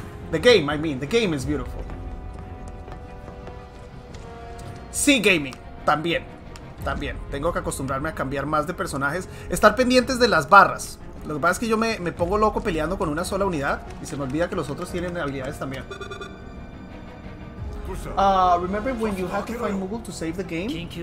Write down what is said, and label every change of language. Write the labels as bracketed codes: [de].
[en] The game, I mean, the game is beautiful. [es] Sí, gaming, también. Tengo que acostumbrarme a cambiar más de personajes. Estar pendientes de las barras. Lo que pasa es que yo me pongo loco peleando con una sola unidad y se me olvida que los otros tienen habilidades también. [en] Remember when you had to find Moogle to save the game?